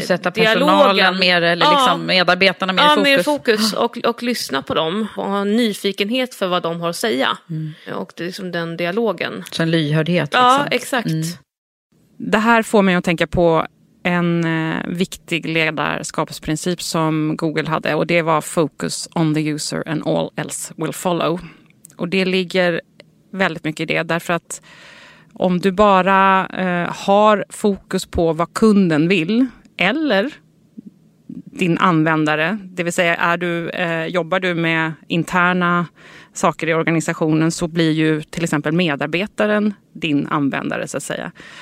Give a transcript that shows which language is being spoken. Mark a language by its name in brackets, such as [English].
[Swedish] Så sätta personalen mer, eller liksom medarbetarna mer i fokus. Ja, mer fokus och lyssna på dem. Och ha nyfikenhet för vad de har att säga. Mm. Och det är liksom den dialogen. Så en lyhördhet. Ja, liksom. Exakt. Mm. Det här får mig att tänka på en viktig ledarskapsprincip som Google hade. Och det var [English] focus on the user and all else will follow. [Swedish] Och det ligger väldigt mycket i det. Därför att om du bara har fokus på vad kunden vill, eller din användare. Det vill säga, jobbar du med interna saker i organisationen, så blir ju till exempel medarbetaren din användare, så att säga.